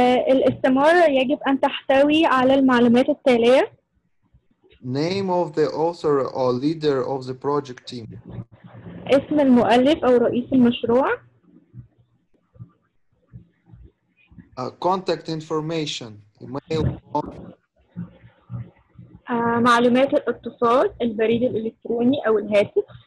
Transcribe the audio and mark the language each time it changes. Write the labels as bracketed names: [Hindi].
[Arabic] الاستمارة يجب أن تحتوي على المعلومات التالية. [English] Name of the author or leader of the project team. [Arabic] اسم المؤلف أو رئيس المشروع. [English] Contact information, email. [Arabic] معلومات الاتصال، البريد الإلكتروني أو الهاتف.